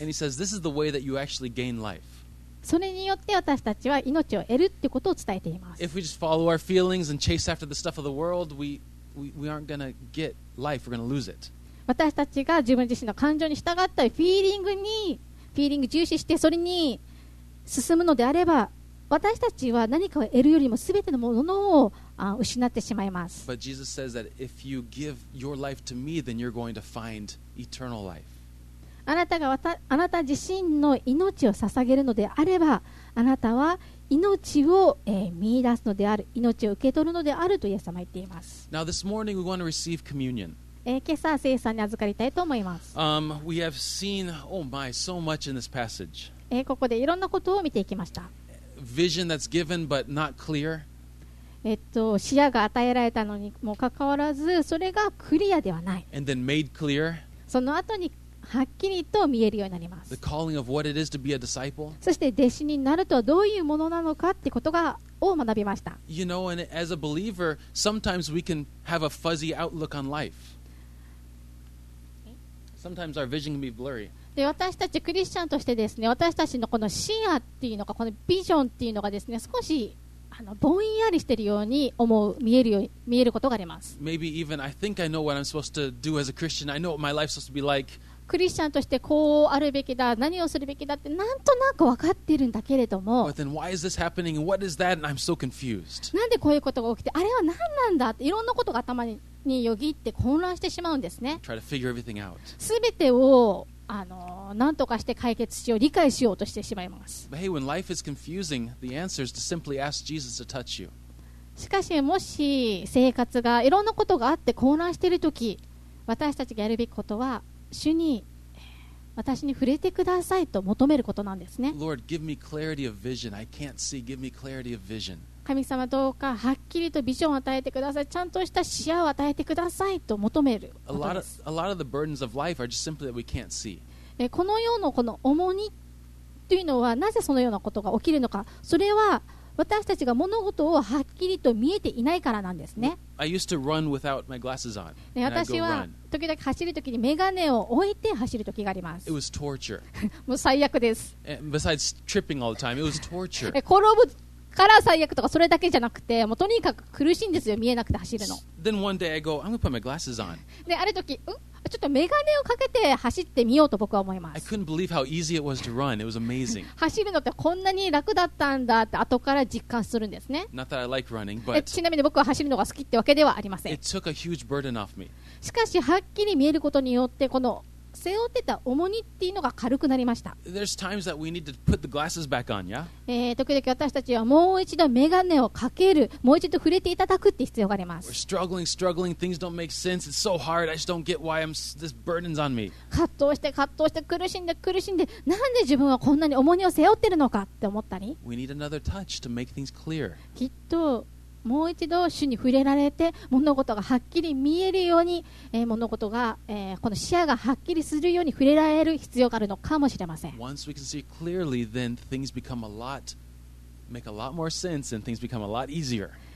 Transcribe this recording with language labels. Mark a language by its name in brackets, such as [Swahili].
[English] And he says, this is the way that you actually gain life. [Japanese] それによって私たちは命を得るってことを伝えています。 [English] If we just follow our feelings and chase after the stuff of the world, we aren't gonna get life. We're gonna lose it. [Japanese] 私たちが自分自身の感情に従ったフィーリング重視してそれに進むのであれば私たちは何かを得るよりも全てのものを失ってしまいます。 [English] But Jesus says that if you give your life to me, then you're going to find eternal life. [Japanese] あなた自身の命を捧げるのであれば、あなたは命を見出すのである、命を受け取るのであるとイエス様は言っています。 [English] Now this morning we want to receive communion. [Japanese] 今朝聖餐に預かりたいと思います。 [English] We have seen, oh my, so much in this passage. [Japanese] ここでいろんなことを見ていきました。 [English] Vision that's given but not clear. [Japanese] 視野が与えられたのにもかかわらず、それがクリアではない。 [English] And then made clear. [Japanese] その後にはっきりと見えるようになります。 [English] The calling of what it is to be a disciple. [Japanese] そして弟子になるとはどういうものなのかってことがを学びました。 [English] You know, and as a believer, sometimes we can have a fuzzy outlook on life. Sometimes our vision can be blurry. [Japanese] で、私たちクリスチャンとしてですね、私たちのこの視野っていうのか、このビジョンっていうのがですね、少しぼんやりしているように思う、見えるよ、見えることがあります。 [English] Maybe even I think I know what I'm supposed to do as a Christian. I know what my life's supposed to be like. [Japanese] クリスチャンとしてこうあるべきだ、何をするべきだってなんとなく分かっているんだけれども、なんでこういうことが起きて、あれは何なんだって、いろんなことが頭によぎって混乱してしまうんですね。全てを何とかして解決しよう、理解しようとしてしまいます。でも、 [English] when life is confusing, the answer is to simply ask Jesus to touch you. [Japanese] しかし、もし生活がいろんなことがあって混乱しているとき、私たちがやるべきことは主に私に触れてくださいと求めることなんですね。 [English] Lord, give me clarity of vision. I can't see. Give me clarity of vision. [Japanese] 神様、どうかはっきりとビジョンを与えてください、ちゃんとした視野を与えてくださいと求めることです。 [English] A lot of the burdens of life are just simply that we can't see. [Japanese] この世のこの重荷というのは、なぜそのようなことが起きるのか、それは私たちが物事をはっきりと見えていないからなんですね。 [English] I used to run without my glasses on. [Japanese] 私は時々走るときにメガネを置いて走るときがあります。 [English] It was torture. [Japanese] もう最悪です。 [English] Besides tripping all the time, it was torture. [Japanese] 転ぶから最悪とか、それだけじゃなくて、もうとにかく苦しいんですよ、見えなくて走るの。 [English] Then one day I go, I'm gonna put my glasses on. [Japanese] で、ある時、ちょっとメガネをかけて走ってみようと僕は思います。 [English] I couldn't believe how easy it was to run. It was amazing. [Japanese] 走るのってこんなに楽だったんだって後から実感するんですね。 [English] Not that I like running, but [Japanese] ちなみに僕は走るのが好きってわけではありません。 [English] It took a huge burden off me. [Japanese] しかし、はっきり見えることによって、この背負ってた重荷っていうのが軽くなりました。時々私たちはもう一度メガネをかける、もう一度触れていただくって必要があります。 [English] struggling, things don't make sense. It's so hard. I just don't get why this burden's on me. [Japanese] 葛藤して苦しんで、なんで自分はこんなに重荷を背負ってるのかって思ったり。 [English] We need another touch to make things clear. [Japanese] きっと。もう一度主に触れられて、物事がはっきり見えるように、物事が、この視野がはっきりするように触れられる必要があるのかもしれません。 [English] Once we can see clearly, then things become a lot, make a lot more sense, and things become a lot easier.